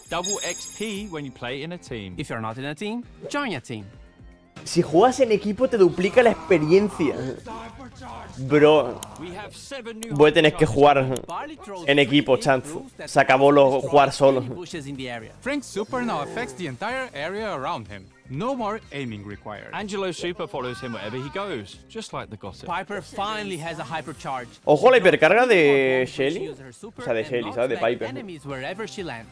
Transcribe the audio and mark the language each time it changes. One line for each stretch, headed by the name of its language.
English: Double XP when you play in a team. If you're not in a team, join a team.
Spanish: Si juegas en equipo te duplica la experiencia. Bro, voy a tener que jugar en equipo, chance. Se acabó lo jugar solo.
English: Frank's super now affects the entire area around him. No more aiming required. Angelo's super follows him wherever he goes, just like the gossip. Piper finally has a hypercharge.
Spanish: Ojo la hipercarga de Shelly. O sea, de Shelly, ¿sabes? De Piper.